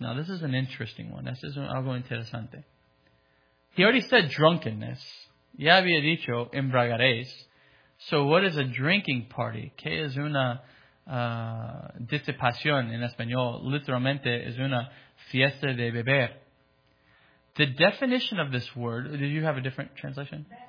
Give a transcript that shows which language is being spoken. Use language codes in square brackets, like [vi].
[en] Now, this is an interesting one. This is [es] algo interesante. [en] He already said drunkenness. [es] Ya había dicho embriagarés. [en] So, what is a drinking party? [es] ¿Qué es una disipación en español? Literalmente, es una fiesta de beber. [en] The definition of this word, did you have a different translation?